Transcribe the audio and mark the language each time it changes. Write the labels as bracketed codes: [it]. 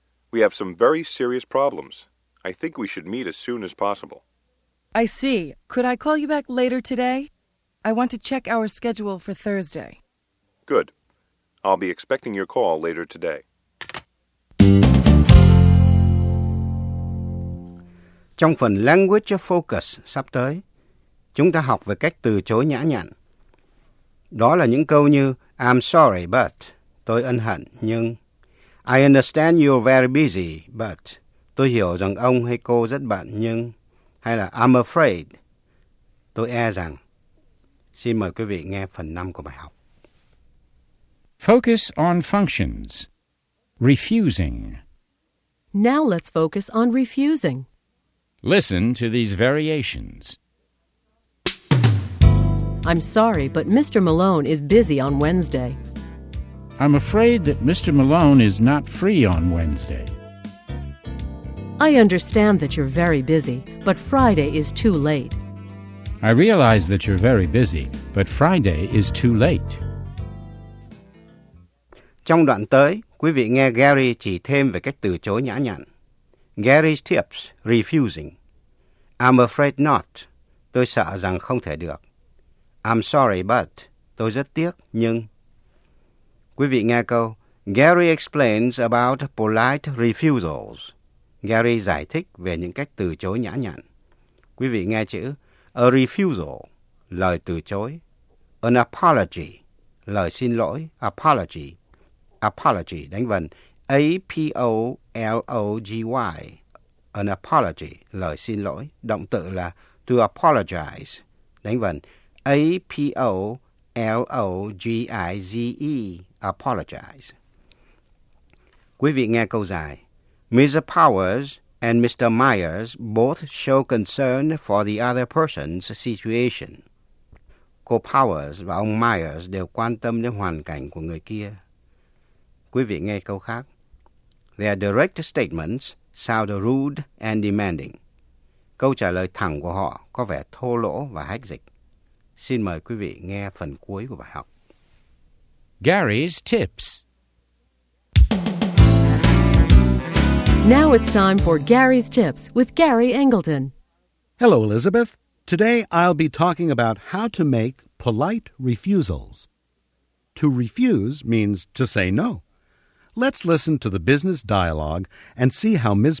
[en] We have some very serious problems. I think we should meet as soon as possible. I see. Could I call you back later today? I want to check our schedule for Thursday. Good. I'll be expecting your call later today. [vi] Trong phần Language Focus sắp tới, chúng ta học về cách từ chối nhã nhặn. Đó là những câu như [en] I'm sorry, but, [vi] tôi ân hận, nhưng [en] I understand you're very busy, but, [vi] tôi hiểu rằng ông hay cô rất bận, nhưng hay là [en] I'm afraid, [vi] tôi e rằng. Xin mời quý vị nghe phần 5 của bài học. [en] Focus on functions. Refusing. Now let's focus on refusing. Listen to these variations. I'm sorry, but Mr. Malone is busy on Wednesday. I'm afraid that Mr. Malone is not free on Wednesday. I understand that you're very busy, but Friday is too late. I realize that you're very busy, but Friday is too late. [vi] Trong đoạn tới, quý vị nghe Gary chỉ thêm về cách từ chối nhã nhặn. [en] Gary's tips, refusing. I'm afraid not. [vi] Tôi sợ rằng không thể được. [en] I'm sorry, but. [vi] Tôi rất tiếc, nhưng. Quý vị nghe câu. [en] Gary explains about polite refusals. [vi] Gary giải thích về những cách từ chối nhã nhặn. Quý vị nghe chữ. A refusal, lời từ chối. An apology, lời xin lỗi. Apology. Apology, đánh vần. A-P-O-L-O-G-Y. An apology, lời xin lỗi. Động từ là to apologize, đánh vần. A-P-O-L-O-G-I-Z-E, apologize. Quý vị nghe câu dài. [en] Ms. Powers and Mr. Myers both show concern for the other person's situation. [vi] Cô Powers và ông Myers đều quan tâm đến hoàn cảnh của người kia. Quý vị nghe câu khác. [en] Their direct statements sound rude and demanding. [vi] Câu trả lời thẳng của họ có vẻ thô lỗ và hách dịch. Xin mời quý vị nghe phần cuối của bài học. [en] Gary's Tips. Now it's time for Gary's Tips with Gary Angleton. Hello, Elizabeth. Today I'll be talking about how to make polite refusals. To refuse means to say no. Let's listen to the business dialogue and see how Ms.